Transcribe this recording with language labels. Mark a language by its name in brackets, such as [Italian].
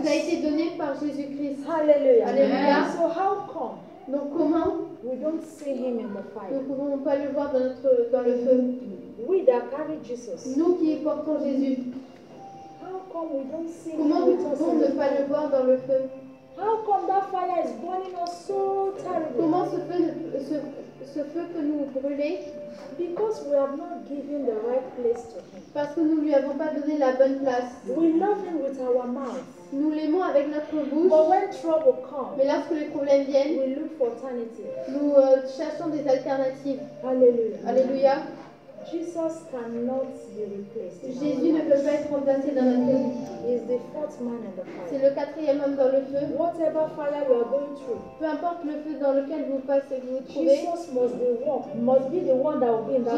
[French] Nous a été donnée par Jésus Christ. Alléluia. Alléluia. Amen. [English] So how come? [French] Donc comment? [English] We don't see him in the fire. [French] Nous ne pouvons pas le voir dans le feu. [English] We that carry Jesus. [French] Nous qui portons Jésus. [English] How come we don't see [French] comment [English] him [French] nous pouvons ne pas le voir dans le feu? [English] How come that fire is burning us so terribly? [French] Comment ce feu peut nous brûler? [English] Because we have not given the right place to him. [French] Parce que nous lui avons pas donné la bonne place. [English] We love him with our mouth. [French] Nous l'aimons avec notre bouche. [English] But when trouble comes, [French] mais lorsque les problèmes viennent, [English] we look for alternatives. [French] Nous cherchons des alternatives. Alléluia. Alléluia. [English] Jesus cannot be replaced. [French] Jésus ne peut pas être remplacé dans notre vie. [English] He's the fourth man in the fire. [French] C'est le quatrième homme dans le feu. [English] Whatever fire we are going through, [French] peu importe le feu dans lequel vous passez, vous trouvez. [English] Jesus must be the one that will be in that